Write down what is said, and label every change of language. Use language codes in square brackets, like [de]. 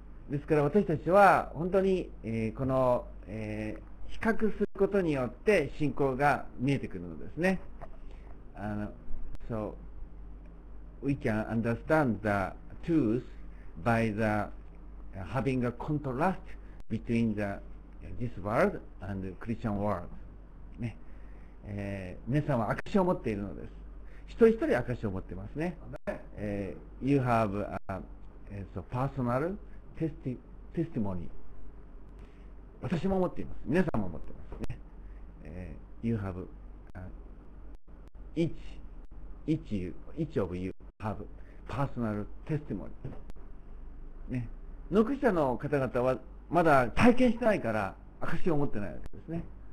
[ja] ですから私たちは本当に、この、比較することによって信仰が見えてくるのですね。 [en] So we can understand the truth by the having a contrast between the this world and Christian world、ね。 [ja] 皆さんは証を持っているのです。一人一人証を持っていますね。 [en] You have a so personal testimony。 [ja] 私も持っています。皆さんも持っていますね。 [en] You have each of you have personal testimony、ね。 [ja] ノクリスチャンの方々はまだ体験してないから証を持ってないわけですね。